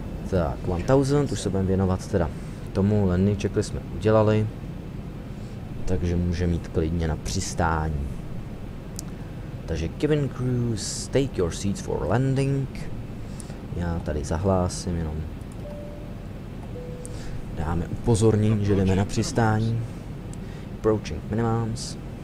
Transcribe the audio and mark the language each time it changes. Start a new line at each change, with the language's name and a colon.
Czech: Tak, 1000, už se budeme věnovat teda tomu. Landing checklist jsme udělali. Takže může mít klidně na přistání.
English: Takže cabin crew, stake your seats for landing.
Czech: Já tady zahlásím jenom. Dáme upozornění, že jdeme na přistání.
English: Approaching minimums.